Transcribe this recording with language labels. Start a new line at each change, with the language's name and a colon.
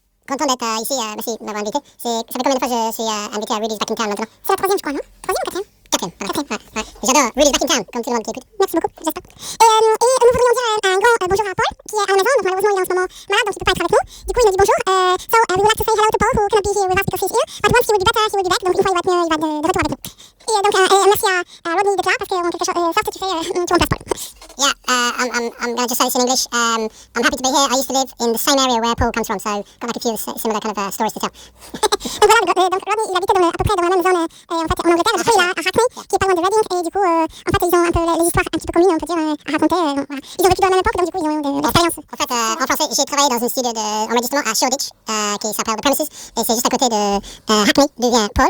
French: Content d'être ici, merci de m'avoir invité. C'est, ça fait combien de fois que je suis invité à Reedy's Back in Town maintenant? C'est la troisième, je crois, non? Troisième ou quatrième? Quatrième. J'adore Reedy's Back in Town, comme tout le monde qui écoute. Merci beaucoup, j'espère. Et nous voudrions dire un grand bonjour à Paul, qui est à la maison, donc malheureusement il est en ce moment malade, donc il ne peut pas être avec nous. Du coup, il nous dit bonjour.
English: So, we would like to say hello to Paul, who cannot be here with us because he's ill. But once he will be better, he will be back,
French: donc une fois il va être mieux, il va de retour avec nous. Et donc, merci à Rodney d'être là, parce qu'on a quelque chose faire, tu sais, tu remplaces Paul.
English: Yeah, I'm gonna just say this in English. I'm happy to be here. I used to live in the same area where Paul comes from, so I've got like a few similar kind of stories to tell.
French: Et voilà, donc Rodney, il habitait dans le, à peu près dans la même zone en fait en Angleterre, après il a à Hackney, qui est pas loin de Reading, et du coup, en fait, ils ont un peu les histoires un petit peu communes, on peut dire, à raconter. Voilà. Ils ont vécu dans la même époque, donc du coup, ils ont de l'expérience. En fait, en français, j'ai travaillé dans un studio d'enregistrement à Shoreditch, qui s'appelle The Premises, et c'est juste à côté de Hackney, d'où vient Paul.